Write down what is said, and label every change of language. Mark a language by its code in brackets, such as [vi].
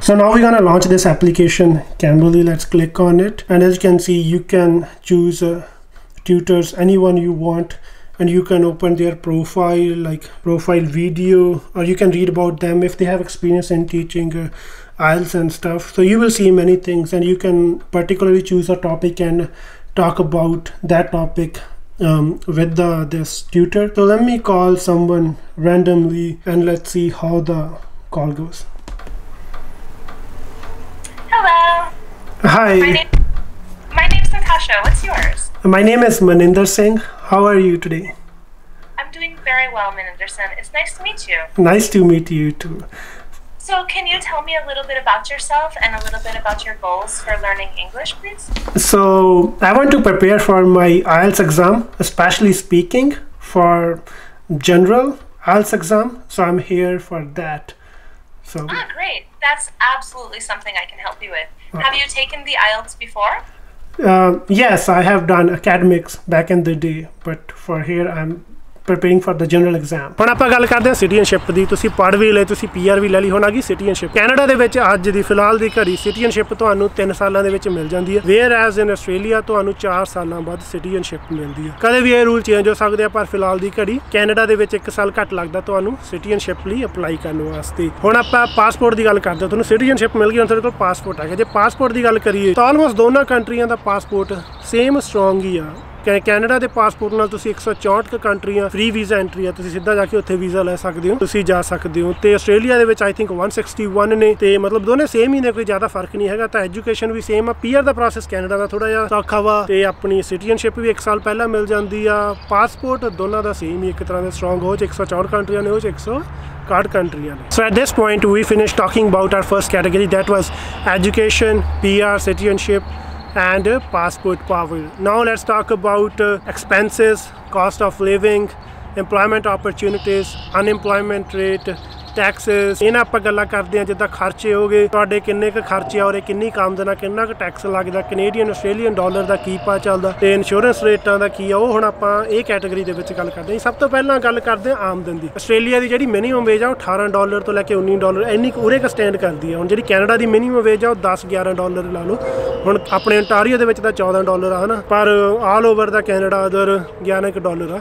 [en] So now we gonna launch this application Cambly, let's click on it and as you can see you can choose tutors anyone you want and you can open their profile, like profile video, or you can read about them if they have experience in teaching IELTS and stuff. So you will see many things, and you can particularly choose a topic and talk about that topic with this tutor. So let me call someone randomly and let's see how the call goes. Hello. Hi. My name's Natasha, what's yours? My name is Maninder Singh. How are you today? I'm doing very well, Maninder-san. It's nice to meet you. Nice to meet you too. So can you tell me a little bit about yourself and a little bit about your goals for learning English, please? So I want to prepare for my IELTS exam, especially speaking, for general IELTS exam. So I'm here for that. So. Ah, great. That's absolutely something I can help you with. Okay. Have you taken the IELTS before? Yes, I have done academics back in the day, but for here I'm preparing for the general exam. [pa] ਹੁਣ ਆਪਾਂ ਗੱਲ ਕਰਦੇ ਹਾਂ citizenship ਦੀ। ਤੁਸੀਂ ਪੜ੍ਹ ਵੀ ਲਏ, ਤੁਸੀਂ PR ਵੀ ਲੈ ਲਈ, ਹੁਣ ਆ ਗਈ ਸਿਟੀਜ਼ਨਸ਼ਿਪ। ਕੈਨੇਡਾ ਦੇ ਵਿੱਚ ਅੱਜ ਦੀ ਫਿਲਹਾਲ ਦੀ ਘੜੀ ਸਿਟੀਜ਼ਨਸ਼ਿਪ ਤੁਹਾਨੂੰ 3 ਸਾਲਾਂ ਦੇ ਵਿੱਚ ਮਿਲ ਜਾਂਦੀ ਹੈ, ਵੇਅਰ ਐਜ ਇਨ ਆਸਟ੍ਰੇਲੀਆ ਤੁਹਾਨੂੰ 4 ਸਾਲਾਂ ਬਾਅਦ ਸਿਟੀਜ਼ਨਸ਼ਿਪ ਮਿਲਦੀ ਹੈ। ਕਦੇ ਵੀ ਇਹ ਰੂਲ ਚੇਂਜ ਹੋ ਸਕਦੇ ਆ, ਪਰ ਫਿਲਹਾਲ ਦੀ ਘੜੀ ਕੈਨੇਡਾ ਦੇ ਵਿੱਚ 1 ਸਾਲ ਘੱਟ ਲੱਗਦਾ ਤੁਹਾਨੂੰ ਸਿਟੀਜ਼ਨਸ਼ਿਪ ਲਈ ਅਪਲਾਈ ਕਰਨ ਵਾਸਤੇ। ਹੁਣ ਆਪਾਂ ਪਾਸਪੋਰਟ ਦੀ ਗੱਲ ਕਰਦੇ ਹਾਂ, ਤੁਹਾਨੂੰ ਸਿਟੀਜ਼ਨਸ਼ਿਪ ਮਿਲ ਗਈ, ਤੁਹਾਡੇ ਕੋਲ ਪਾਸਪੋਰਟ ਆ ਗਿਆ। ਜੇ ਪਾਸਪੋਰਟ ਦੀ ਗੱਲ ਕਰੀਏ ਤਾਂ ਆਲਮੋਸਟ ਦੋਨਾਂ ਕੰਟਰੀਆਂ ਦਾ ਪਾਸਪੋਰਟ ਸੇਮ ਸਟਰੋਂਗ ਹੀ ਆ। ਕੈਨੇਡਾ ਦੇ ਪਾਸਪੋਰਟ ਨਾਲ ਤੁਸੀਂ 164 ਕੰਟਰੀਆਂ ਫ੍ਰੀ ਵੀਜ਼ਾ ਐਂਟਰੀ ਆ, ਤੁਸੀਂ ਸਿੱਧਾ ਜਾ ਕੇ ਉੱਥੇ ਵੀਜ਼ਾ ਲੈ ਸਕਦੇ ਹੋ, ਤੁਸੀਂ ਜਾ ਸਕਦੇ ਹੋ। ਅਤੇ ਆਸਟ੍ਰੇਲੀਆ ਦੇ ਵਿੱਚ ਆਈ ਥਿੰਕ 161 ਨੇ, ਅਤੇ ਮਤਲਬ ਦੋਨੇ ਸੇਮ ਹੀ ਨੇ, ਕੋਈ ਜ਼ਿਆਦਾ ਫਰਕ ਨਹੀਂ ਹੈਗਾ। ਤਾਂ ਐਜੂਕੇਸ਼ਨ ਵੀ ਸੇਮ ਆ, PR ਦਾ ਪ੍ਰੋਸੈਸ ਕੈਨੇਡਾ ਦਾ ਥੋੜ੍ਹਾ ਜਿਹਾ ਸੌਖਾ ਵਾ, ਅਤੇ ਆਪਣੀ ਸਿਟੀਜ਼ਨਸ਼ਿਪ ਵੀ 1 ਸਾਲ ਪਹਿਲਾਂ ਮਿਲ ਜਾਂਦੀ ਆ। ਪਾਸਪੋਰਟ ਦੋਨਾਂ ਦਾ ਸੇਮ ਹੀ, ਇੱਕ ਤਰ੍ਹਾਂ ਦੇ ਸਟਰੋਂਗ ਹੋ ਚ 164 ਕੰਟਰੀਆਂ ਨੇ, ਉਹ ਚ 161 ਕੰਟਰੀਆਂ ਨੇ। [en] So at this point we finish talking about our first category, that was education, PR, citizenship and passport power. Now let's talk about expenses, cost of living, employment opportunities, unemployment rate, taxes. [pa] ਇਹਨਾਂ ਆਪਾਂ ਗੱਲਾਂ ਕਰਦੇ ਹਾਂ ਜਿੱਦਾਂ ਖਰਚੇ ਹੋ ਗਏ, ਤੁਹਾਡੇ ਕਿੰਨੇ ਕੁ ਖਰਚੇ ਆ, ਔਰ ਇਹ ਕਿੰਨੀ ਕੰਮ ਦੇਣਾ, ਕਿੰਨਾ ਕੁ ਟੈਕਸ ਲੱਗਦਾ, ਕੈਨੇਡੀਅਨ ਆਸਟ੍ਰੇਲੀਅਨ ਡਾਲਰ ਦਾ ਕੀ ਭਾਅ ਚੱਲਦਾ, ਅਤੇ ਇੰਸ਼ੋਰੈਂਸ ਰੇਟਾਂ ਦਾ ਕੀ ਆ, ਉਹ ਹੁਣ ਆਪਾਂ ਇਹ ਕੈਟਾਗਰੀ ਦੇ ਵਿੱਚ ਗੱਲ ਕਰਦੇ ਹਾਂ। ਸਭ ਤੋਂ ਪਹਿਲਾਂ ਗੱਲ ਕਰਦੇ ਹਾਂ ਆਮਦਨ ਦੀ। ਆਸਟ੍ਰੇਲੀਆ ਦੀ ਜਿਹੜੀ ਮਿਨੀਮਮ ਵੇਜ ਆ ਉਹ $18 ਤੋਂ ਲੈ ਕੇ $19 ਇੰਨੀ ਕੁ ਉਰੇ ਕੁ ਸਟੈਂਡ ਕਰਦੀ ਆ। ਹੁਣ ਜਿਹੜੀ ਕੈਨੇਡਾ ਦੀ ਮਿਨੀਮਮ ਵੇਜ ਆ ਉਹ $10-11 ਲਾ ਲਓ, ਹੁਣ ਆਪਣੇ ਓਨਟਾਰੀਓ ਦੇ ਵਿੱਚ ਤਾਂ $14 ਆ ਹੈ ਨਾ, ਪਰ ਆਲ ਓਵਰ ਦਾ ਕੈਨੇਡਾ ਅਦਰ $11 ਆ।